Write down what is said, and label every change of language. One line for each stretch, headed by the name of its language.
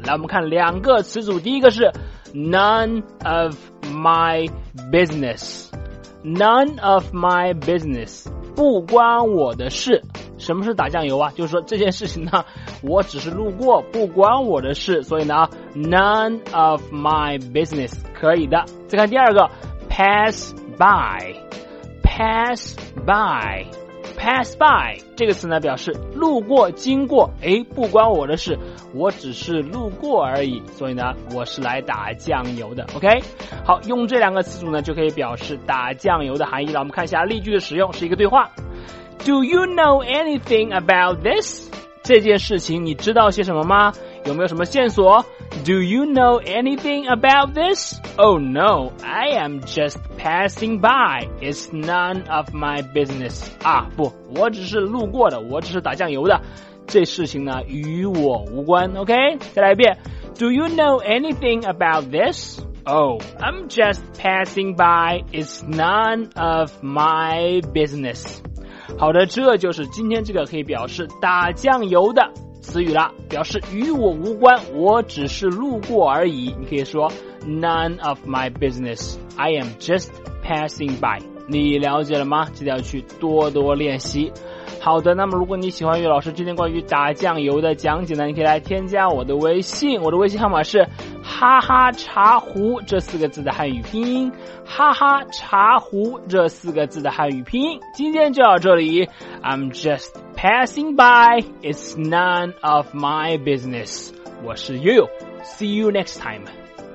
Chinese: 来，我们看两个词组，第一个是
English: None of my business，
Chinese: None of my business， 不关我的事。什么是打酱油啊？就是说这件事情呢，我只是路过，不关我的事。所以呢 ，
English: none of my business，
Chinese: 可以的。再看第二个 ，
English: pass by，pass by，pass by
Chinese: 这个词呢，表示路过、经过，不关我的事，我只是路过而已。所以呢，我是来打酱油的。OK， 好，用这两个词组呢，就可以表示打酱油的含义了。我们看一下例句的使用，是一个对话。
English: Do you know anything about this?
Chinese: 这件事情你知道些什么吗？有没有什么线索？
English: Do you know anything about this? Oh no, I am just passing by. It's none of my business.
Chinese: 啊，不，我只是路过的，我只是打酱油的，这事情呢与我无关。 OK， 再来一遍。
English: Do you know anything about this? Oh, I'm just passing by. It's none of my business.
Chinese: 好的，这就是今天这个可以表示打酱油的词语了，表示与我无关，我只是路过而已。你可以说
English: None of my business, I am just passing by。
Chinese: 你了解了吗？记得要去多多练习。好的，那么如果你喜欢于老师今天关于打酱油的讲解呢，你可以来添加我的微信，我的微信号码是哈哈茶壶这四个字的汉语拼音，哈哈茶壶这四个字的汉语拼音。今天就到这里，
English: I'm just passing by, it's none of my business。
Chinese: 我是
English: You, See you next time。